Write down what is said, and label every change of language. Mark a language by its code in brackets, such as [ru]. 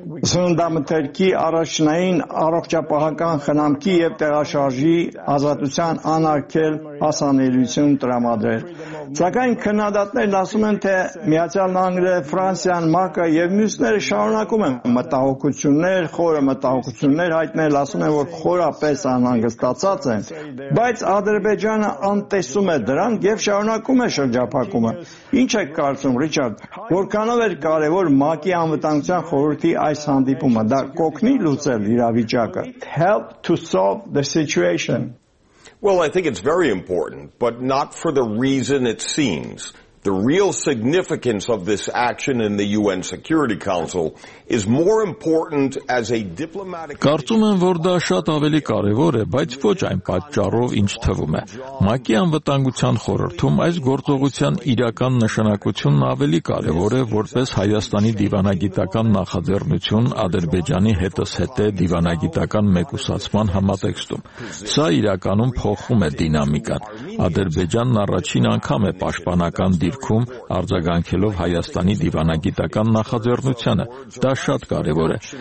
[hy] սննդամթերքի առաջնային առողջապահական խնամքի և տեղաշարժի ազատության անարգել հասանելիություն տրամադրել։ Սակայն քննադատներն ասում են, թե Միացյալ Նահանգները, Ֆրանսիան, ՄԱԿ-ը և մյուսները շարունակում են մտահոգություններ, խորը մտահոգություններ հայտնել, ասում են, որ խորապես անհանգստացած են, բայց Ադրբեջանը անտեսում է դրանք և շարունակում է շրջափակումը։ Ինչ եք կարծում, Ռիչարդ, որքանով էր կարևոր ՄԱԿ-ի անվտանգության խորհրդի այս հանդիպումը, դա կօգնի լուծել իրավիճակը? [en] Help to solve the situation. Well, I think it's very important, but not for the reason it seems. The real significance of this action in the UN Security Council is more important as a diplomatic. [hy] Կարծում եմ, որ դա շատ ավելի կարևոր է, բայց ոչ այն պատճառով, ինչ թվում է։ ՄԱԿ-ի անվտանգության խորհրդում այս գործողության իրական նշանակությունն ավելի կարևոր է, որպես Հայաստանի դիվանագիտական նախաձեռնություն Ադրբեջանի հետզհետե դիվանագիտական մեկուսացման համատեքստում։ Սա իրականում փոխում է դինամիկան։ Ադրբեջանն առաջին անգամ է պաշտպանական դիրքում արձագանքելով Հայաստանի դիվանագիտական նախաձեռնությանը, դա շատ կարևոր է։